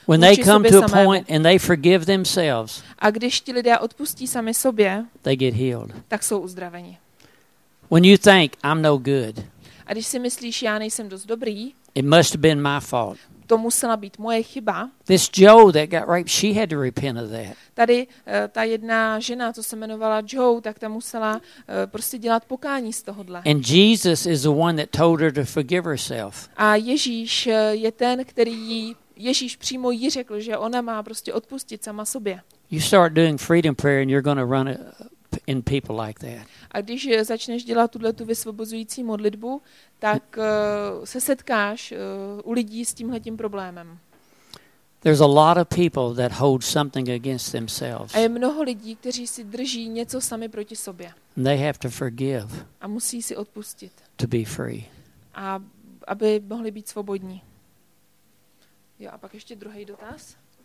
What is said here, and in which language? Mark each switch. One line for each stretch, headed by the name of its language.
English: When they come to a point and they forgive themselves,
Czech: a když ti lidé odpustí sami sobě,
English: they get healed.
Czech: Tak jsou uzdraveni.
English: When you think I'm no good,
Czech: a když si myslíš, já nejsem dost dobrý,
English: it must have been my fault.
Czech: To musela být moje chyba.
English: This Joe that got raped, she had to repent of that.
Czech: Tady ta jedna žena, co se jmenovala Joe, tak ta musela prostě dělat pokání z tohohle.
English: And Jesus is the one that told her to forgive herself.
Czech: A Ježíš je ten, který jí, Ježíš přímo jí řekl, že ona má prostě odpustit sama sobě.
English: You start doing freedom prayer and you're going to run in people like that.
Czech: A když začneš dělat tuhle tu vysvobozující modlitbu, tak se setkáš u lidí s tímhle tím problémem.
English: There's a lot of people that hold something against themselves.
Czech: A je mnoho lidí, kteří si drží něco sami proti sobě.
English: They have to forgive.
Czech: A musí si odpustit.
English: To be free.
Czech: A aby mohli být svobodní. Jo, a pak ještě druhý dotaz.